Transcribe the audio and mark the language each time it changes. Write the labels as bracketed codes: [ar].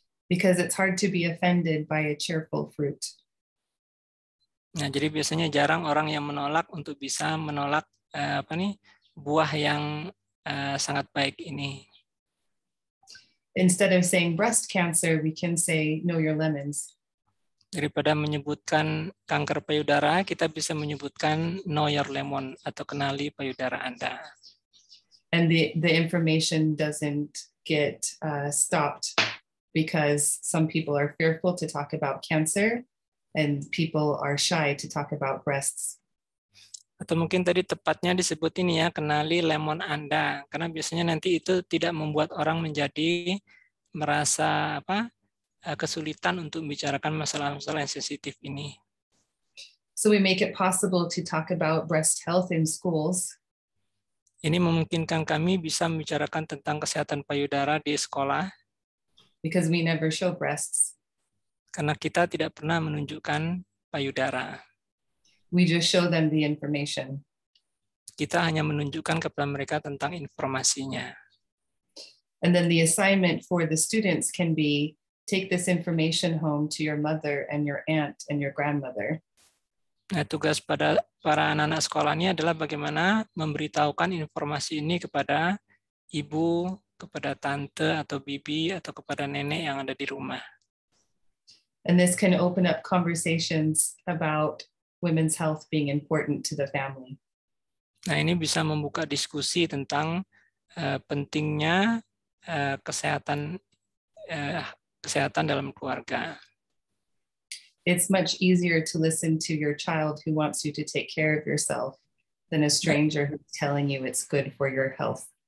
[en] Because it's hard to be offended by a cheerful fruit. [id] Nah, jadi biasanya jarang orang yang menolak untuk bisa menolak apa nih buah yang sangat baik ini. [en] Instead of saying breast cancer, we can say know your lemons. [id] Daripada menyebutkan kanker payudara, kita bisa menyebutkan [en] know your lemon [id] atau kenali payudara Anda. [en] And the information doesn't get stopped because some people are fearful to talk about cancer and people are shy to talk about breasts. [id] Atau mungkin tadi tepatnya disebut ini ya, kenali lemon Anda, karena biasanya nanti itu tidak membuat orang menjadi merasa apa? Kesulitan untuk membicarakan masalah-masalah yang sensitif ini. [en] So we make it possible to talk about breast health in schools. [id] Ini memungkinkan kami bisa membicarakan tentang kesehatan payudara di sekolah. [en] Because we never show breasts. [id] Karena kita tidak pernah menunjukkan payudara. [en] We just show them the information. [id] Kita hanya menunjukkan kepada mereka tentang informasinya. [en] And then the assignment for the students can be take this information home to your mother and your aunt and your grandmother. [id] Nah, tugas pada para anak-anak sekolah ini adalah bagaimana memberitahukan informasi ini kepada ibu, kepada tante atau bibi, atau kepada nenek yang ada di rumah. [en] And this can open up conversations about women's health being important to the family. [id] Nah, ini bisa membuka diskusi tentang pentingnya kesehatan kesehatan dalam keluarga. [en] It's much easier to listen to your child who wants you to take care of yourself than a stranger who's telling you it's good for your health.